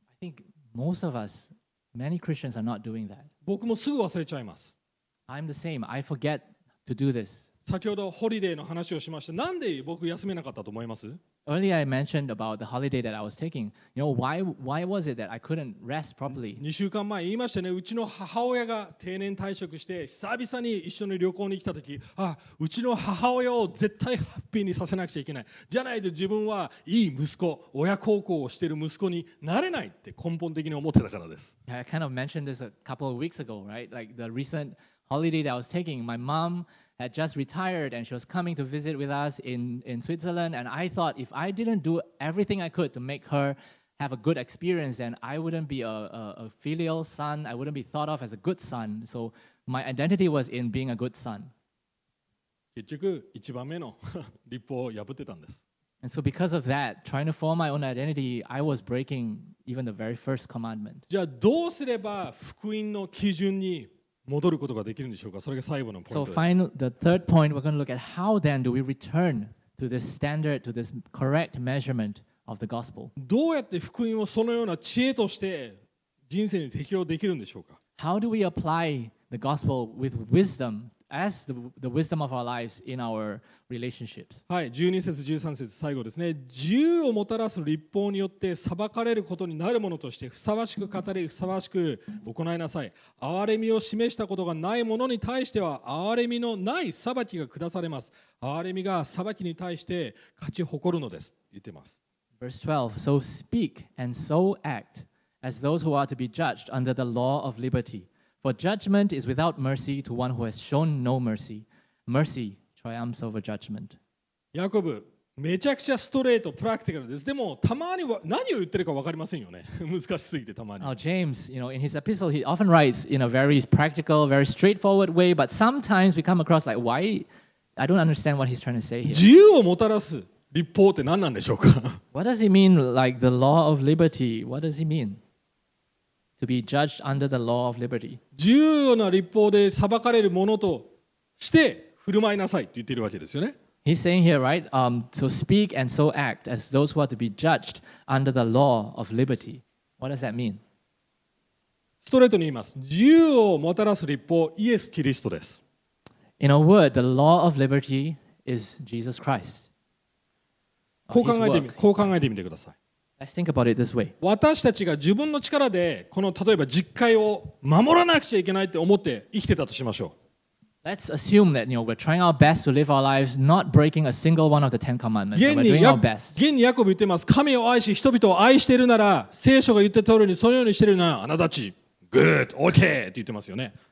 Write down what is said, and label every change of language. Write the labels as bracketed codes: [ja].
[en] I think most of us, many Christians are not doing that. [ja] 僕もすぐ忘れちゃいます。 [en] I'm the same. I forget to do this. [ja] 先ほどホリデーの話をしました。なんで僕休めなかったと思います? [en] Earlier I mentioned about the holiday that I was taking. You know, why was it that I couldn't rest properly? [ja] 2週間前言いましたね。うちの母親が定年退職して久々に一緒に旅行に来た時、あ、うちの母親を絶対ハッピーにさせなくちゃいけない。じゃないと自分はいい息子、親孝行をしている息子になれないって根本的に思ってたからです。 [en] Yeah, I kind of mentioned this a couple of weeks ago, right? Like the recentholiday that I was taking, my mom had just retired and she was coming to visit with us in Switzerland and I thought if I didn't do everything I could to make her have a good experience then I wouldn't be a filial son, I wouldn't be thought of as a good son. So my identity was in being a good son. [ja] 結局一番目の律法を破ってたんです。 [en] And so because of that, trying to form my own identity, I was breaking even the very first commandment. [ja] じゃあどうすれば福音の基準に戻ることができるんでしょうか。それが最後のポイントです。 [en] So finally, the third point, we're going to look at how then do we return to this standard, to this correct measurement of the gospel. [ja] どうやって福音をそのような知恵として人生に適用できるんでしょうか。 [en] How do we apply the gospel with wisdom as the wisdom of our lives in our relationships. [ja] はい、12節13節最後ですね。自由をもたらす律法によって裁かれることになるものとしてふさわしく語りふさわしく行いなさい。憐れみを示したことがないものに対しては憐れみのない裁きが下されます。憐れみが裁きに対して勝ち誇るのです。言ってます。 [en] Verse 12. So speak and so act as those who are to be judged under the law of liberty. For judgment is without mercy to one who has shown no mercy. Mercy triumphs over judgment. [ja] ヤコブ、めちゃくちゃストレート、プラクティカルです。でも、たまには何を言ってるか分かりませんよね。難しすぎて、たまに。 [en] Now, James, you know, in his epistle, he often writes in a very practical, very straightforward way, but sometimes we come across like, why? I don't understand what he's trying to say here. [ja] 自由をもたらす立法って何なんでしょうか [en] What does he mean, like the law of liberty? What does he mean? To be judged under the law of liberty. [ja] 自由な律法で裁かれるものとして振る舞いなさいと言っているわけですよね。 [en] He's saying here, right? So speak and so act as those who are to be judged under the law of liberty. What does that mean? [ja] ストレートに言います。自由をもたらす律法、イエス・キリストです。 [en] In a word, the law of liberty is Jesus Christ. [ja] こう考えてみてください。 [en] Let's think about it this way. [ja] 私たちが自分の力でこの例えば実戒を守らなくちゃいけないって思って生きてたとしましょう。 [en] Let's assume that, you know, we're trying our best to live our lives, not breaking a single one of the Ten Commandments. We're doing our best. [ja] 現にヤコブ言ってます。神を愛し人々を愛しているなら、聖書が言ってた通りにそのようにしているなら、あなたたち、 [en] good, okay, [ja] って言ってますよね。